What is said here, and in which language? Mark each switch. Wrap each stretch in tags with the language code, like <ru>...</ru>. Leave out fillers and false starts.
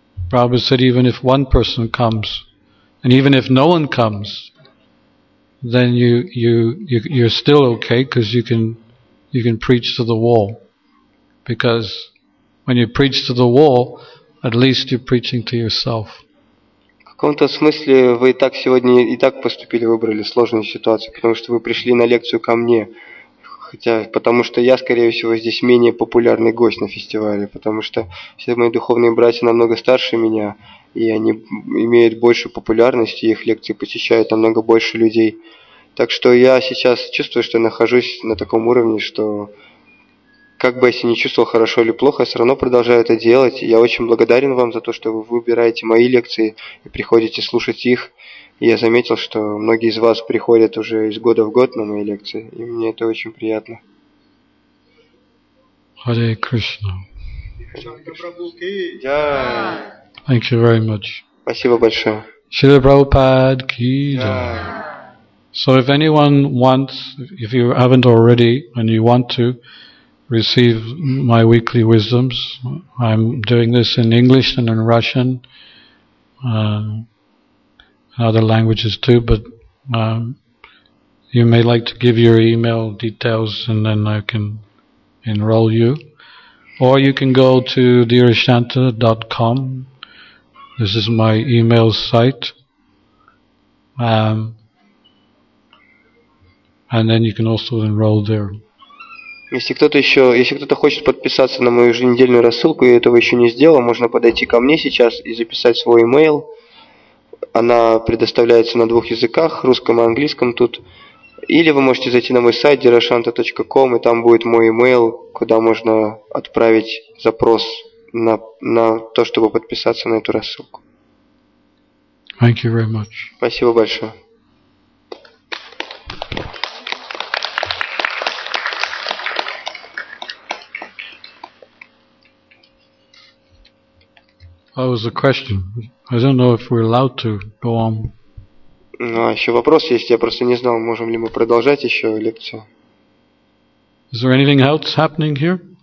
<en>Prabhupada said even if one person comes, and even if no one comes, then you're still okay because you can preach to the wall. Because when you preach to the wall, at least you're preaching to yourself.</en> <ru>В каком-то смысле вы и так сегодня и так поступили, выбрали сложную ситуацию, потому что вы пришли на лекцию ко мне. Хотя, потому что я, скорее всего, здесь менее популярный гость на фестивале, потому что все мои духовные братья намного старше меня, и они имеют большую популярность, и их лекции посещают намного больше людей. Так что я сейчас чувствую, что нахожусь на таком уровне, что как бы я себя не чувствовал хорошо или плохо, я все равно продолжаю это делать. Я очень благодарен вам за то, что вы выбираете мои лекции и приходите слушать их. И я заметил, что многие из вас приходят уже из года в год на мои лекции, и мне это очень приятно.</ru> <en>Hare Krishna. Yeah. Thank you very much.</en> <ru>Спасибо большое.</ru> <hi>Шрила Прабхупада ки джай.</hi> <en>So if anyone wants, if you haven't already, and you want to receive my weekly wisdoms, I'm doing this in English and in Russian, and other languages too, but you may like to give your email details and then I can enroll you. Or you can go to dearashanta.com. This is my email site. And then you can also enroll there.</en> <ru>Если кто-то хочет подписаться на мою еженедельную рассылку и этого еще не сделал, можно подойти ко мне сейчас и записать свой email. Она предоставляется на двух языках, русском и английском тут. Или вы можете зайти на мой сайт dearashanta.com, и там будет мой email, куда можно отправить запрос на то, чтобы подписаться на эту рассылку.</ru> <en>Thank you very much.</en> <ru>Спасибо большое.</ru> <en>That was a question. I don't know if we're allowed to go on.</en> <ru>Ну, а еще вопрос есть. Я просто не знал, можем ли мы продолжать еще лекцию.</ru> <en>Is there anything else happening here?</en>